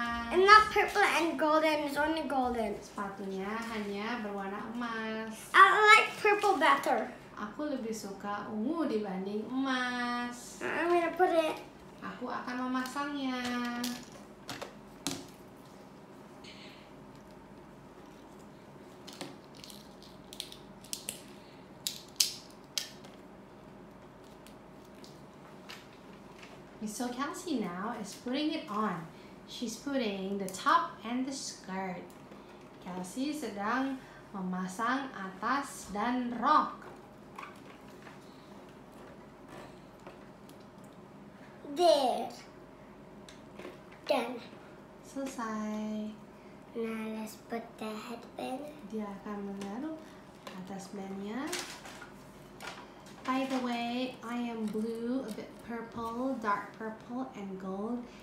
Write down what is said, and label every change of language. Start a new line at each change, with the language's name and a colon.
English: And not purple and golden, it's only golden.
Indonesian: Sepatunya hanya berwarna emas.
English: I like purple better.
Indonesian: Aku lebih suka ungu dibanding emas.
English: I'm gonna put it.
Indonesian: Aku akan memasangnya.
English: And so Cassie now is putting it on. She's putting the top and the skirt.
Indonesian: Cassie sedang memasang atas dan rok.
English: There. Done.
Indonesian: Selesai.
English: Now let's put the headband.
Indonesian: Dia akan menaruh atas bandnya.
English: By the way, I am blue, a bit purple, dark purple, and gold.